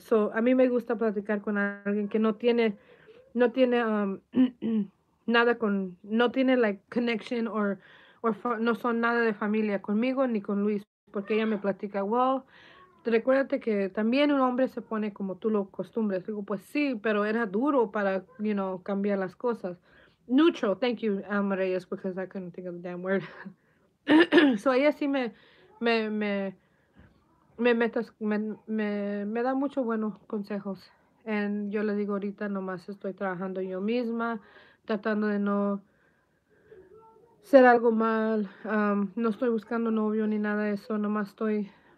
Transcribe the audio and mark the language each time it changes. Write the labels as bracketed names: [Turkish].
[Spanish] So, a mí me gusta platicar con alguien que no tiene [English] like connection [Spanish] no son nada de familia conmigo ni con Luis, porque ella me platica, well, recuérdate que también un hombre se pone como tú lo acostumbres. Digo, pues sí, pero era duro para, [English] you know, [Spanish] cambiar las cosas. [English] Neutral, thank you, Reyes, because I couldn't think of the damn word. [Spanish] So, ella sí me da mucho buenos consejos. And yo le digo, ahorita nomás estoy trabajando yo misma, tratando de no ser algo mal. No estoy buscando novio ni nada de eso. Nomás estoy